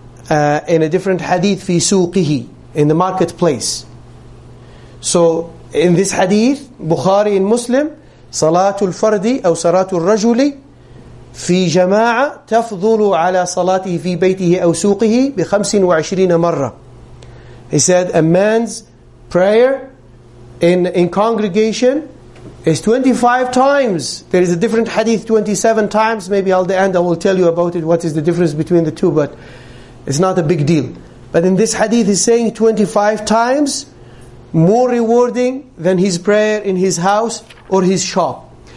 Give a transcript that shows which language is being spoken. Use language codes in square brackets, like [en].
[en] In a different hadith, [ar] في سوقه, [en] in the marketplace. So, in this hadith, Bukhari and Muslim, [ar] Salatul Fardi, أو Salatul Rajuli, في جماعة, تفضل على صلاته في بيته أو سوقه بخمسين وعشرين مرة. [en] He said, a man's prayer in congregation is 25 times. There is a different hadith, 27 times. Maybe at the end I will tell you about it, what is the difference between the two, but it's not a big deal. But in this hadith, he's saying 25 times more rewarding than his prayer in his house or his shop.